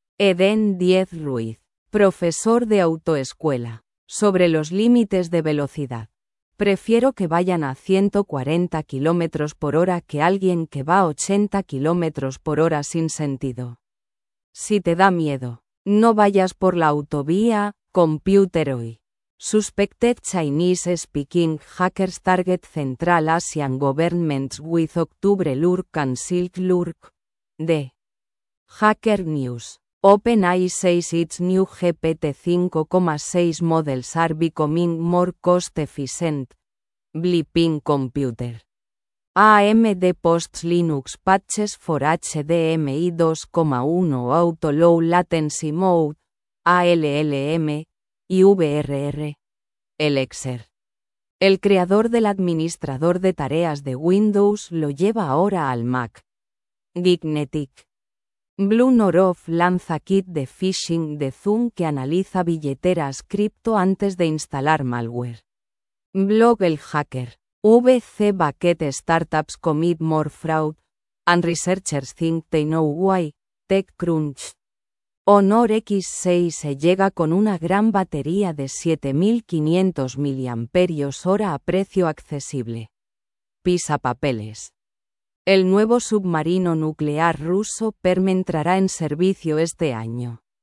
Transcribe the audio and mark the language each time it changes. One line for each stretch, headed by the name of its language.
Spanish: Eden Diez Ruiz, profesor de autoescuela, sobre los límites de velocidad. Prefiero que vayan a 140 km por hora que alguien que va a 80 km por hora sin sentido. Si te da miedo, no vayas por la autovía, computer hoy.
English: Suspected Chinese speaking hackers target Central Asian governments with October lurk and Silk lurk. D. Hacker News. OpenAI says its new GPT-5.6 models are becoming more cost-efficient. Bleeping computer. AMD posts Linux patches for HDMI 2.1 auto low latency mode.
Spanish: ALLM. Y VRR. Elixir. El creador del administrador de tareas de Windows lo lleva ahora al Mac. Dignetic. Blue Noroff lanza kit de phishing de Zoom que analiza billeteras cripto antes de instalar malware. Blog el hacker.
English: VC Bucket Startups commit more fraud, and researchers think they know why. TechCrunch.
Spanish: Honor X6 se llega con una gran batería de 7.500 mAh a precio accesible. Pisa papeles. El nuevo submarino nuclear ruso PERM entrará en servicio este año.